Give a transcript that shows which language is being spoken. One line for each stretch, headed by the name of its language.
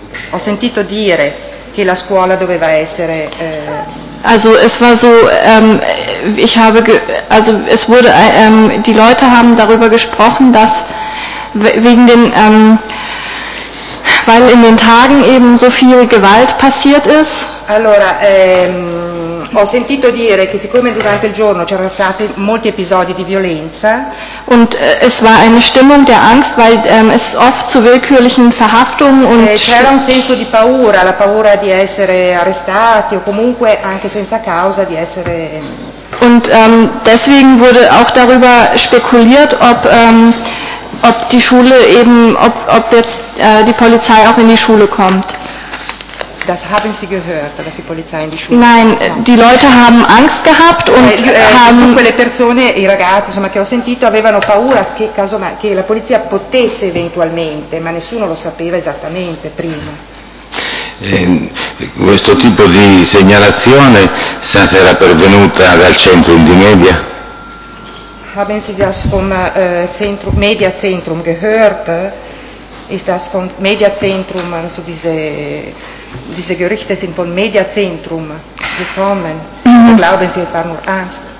Italian: Ho sentito dire che la scuola doveva essere.
German: Also es war so, ich habe, also es wurde, die Leute haben darüber gesprochen, dass wegen den, weil in den Tagen eben so viel Gewalt passiert ist.
Italian: Allora, ho sentito dire che siccome durante il giorno c'erano stati molti episodi di violenza.
German: Und es war eine Stimmung der Angst, weil es oft zu willkürlichen Verhaftungen und
Italian: c'era un senso di paura, la paura di essere arrestati o comunque anche senza causa di essere.
German: Und deswegen wurde auch darüber spekuliert, ob die Schule eben, ob jetzt die Polizei auch in die Schule kommt. Das haben Sie gehört, dass die Polizei in die Schule. Nein, die Leute haben Angst gehabt und haben.
Italian: Quelle persone, i ragazzi, insomma, che ho sentito, avevano paura che casomai che la polizia potesse eventualmente, ma nessuno lo sapeva esattamente prima. Questo tipo di segnalazione, se era pervenuta dal centro di media.
German: Haben Sie das vom Zentrum, Media Zentrum gehört? Ist das vom Media Zentrum, also diese Gerüchte sind vom Media Zentrum gekommen. Mhm. Glauben Sie, es war nur Angst?